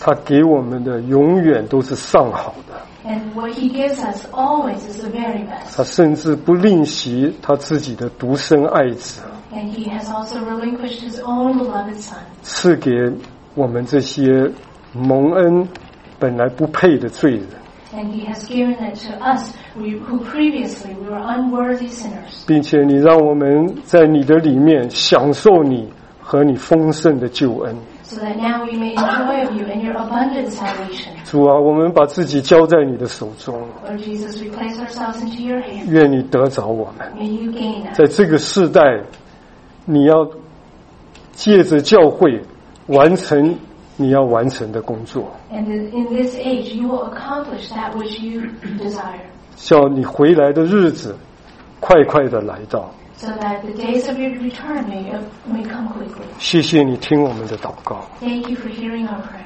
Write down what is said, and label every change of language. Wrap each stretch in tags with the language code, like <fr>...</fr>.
<zh>他给我们的永远都是上好的。</zh> <en>And what He gives us always is the very best.</en> <zh>他甚至不吝惜他自己的独生爱子。</zh> <en>And He has also relinquished His own beloved Son.</en> <zh>赐给我们这些蒙恩本来不配的罪人。</zh> <en>And He has given it to us, who previously we were unworthy sinners.</en> <zh>并且你让我们在你的里面享受你和你丰盛的救恩。</zh> <en>So that now we may enjoy of you and your abundant salvation.</en> <zh>主啊，我们把自己交在你的手中。</zh> <en>Lord Jesus, we place ourselves into your hands.</en> <zh>愿你得着我们。</zh> <en>May you gain us.</en> <zh>在这个世代，你要借着教会完成你要完成的工作。</zh> <en>And in this age, you will accomplish that which you desire.</en> <zh>叫你回来的日子快快的来到。</zh> <en>So that the days of your return may come quickly.</en> <zh>谢谢你听我们的祷告。</zh> <en>Thank you for hearing our prayer.</en>